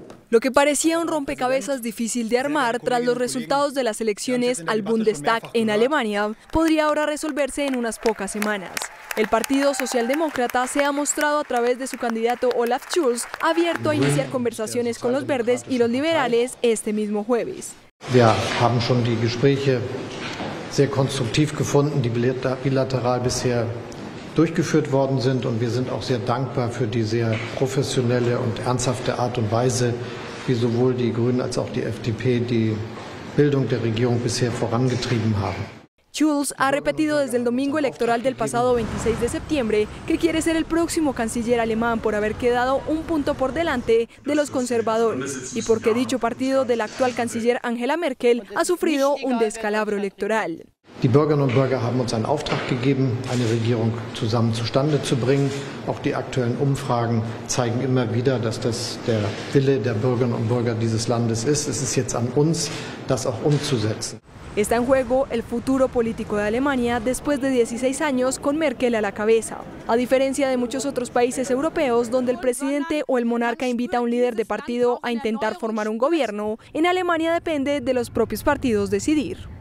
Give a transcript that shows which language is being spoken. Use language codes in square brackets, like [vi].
[es] Lo que parecía un rompecabezas difícil de armar tras los resultados de las elecciones al Bundestag en Alemania podría ahora resolverse en unas pocas semanas. El Partido Socialdemócrata se ha mostrado a través de su candidato Olaf Scholz abierto a iniciar conversaciones con los verdes y los liberales este mismo jueves. [de] Wir haben schon die Gespräche sehr konstruktiv gefunden, die bilateral bisher durchgeführt worden sind und wir sind auch sehr dankbar für die sehr professionelle und ernsthafte Art und Weise, wie sowohl die Grünen als auch die FDP die Bildung der Regierung bisher vorangetrieben haben. [es] Scholz ha repetido desde el domingo electoral del pasado 26 de septiembre que quiere ser el próximo canciller alemán por haber quedado un punto por delante de los conservadores y porque dicho partido de la actual canciller Angela Merkel ha sufrido un descalabro electoral. [de] Die Bürgerinnen und Bürger haben uns einen Auftrag gegeben, eine Regierung zusammen zustande zu bringen. Auch die aktuellen Umfragen zeigen immer wieder, dass das der Wille der Bürgerinnen und Bürger dieses Landes ist. Es ist jetzt an uns, das auch umzusetzen. [es] Está en juego el futuro político de Alemania después de 16 años con Merkel a la cabeza. A diferencia de muchos otros países europeos donde el presidente o el monarca invita a un líder de partido a intentar formar un gobierno, en Alemania depende de los propios partidos decidir.